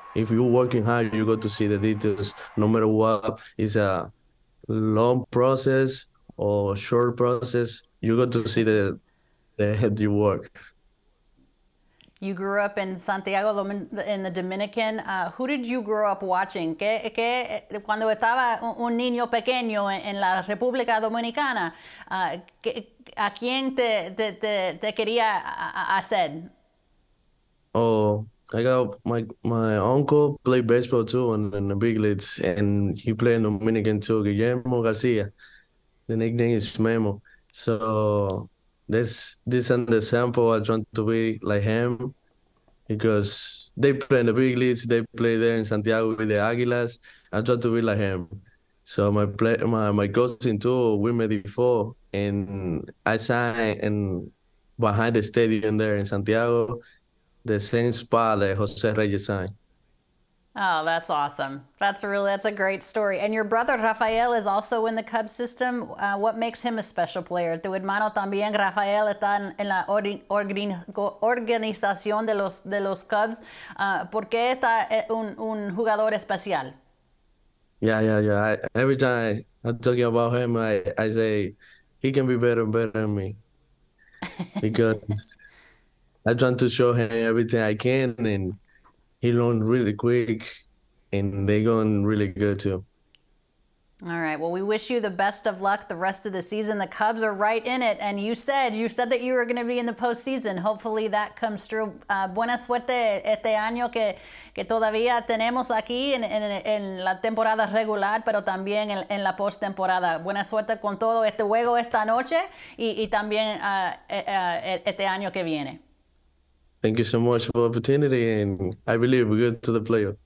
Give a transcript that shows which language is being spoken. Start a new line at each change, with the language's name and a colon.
English: If you're working hard, you got to see the details. No matter what, it's a long process or short process, you got to see the work. You grew up in Santiago, in the Dominican. Who did you grow up watching?
Spanish: ¿Qué cuando estaba un niño pequeño en la República Dominicana, a quién te quería hacer? Oh,
English: I got my uncle played baseball too in the big leagues, and he played in Dominican too, Guillermo Garcia. The nickname is Memo. So this and the sample, I want to be like him because they play in the big leagues. They play there in Santiago with the Aguilas. I try to be like him. So my coaching too, we met before, and I signed in behind the stadium there in Santiago, the same spot that Jose Reyes signed. Oh, that's awesome. That's a great story. And your brother, Rafael, is also in the Cubs system. What makes him a special player?
Spanish: Tu hermano también, Rafael, está en la organización de los Cubs. ¿Por qué está un jugador especial? Yeah.
English: Every time I'm talking about him, I say he can be better and better than me. Because I'm trying to show him everything I can, and he learned really quick, and they're going really good too. All right. Well, we wish you the best of luck the rest of the season. The Cubs are right in it, and you said that you were going to be in the postseason. Hopefully that comes true.
Spanish: Buena suerte este año que todavía tenemos aquí en la temporada regular, pero también en la postemporada. Buena suerte con todo este juego esta noche y también este año que viene.
English: Thank you so much for the opportunity, and I believe we're good to the playoffs.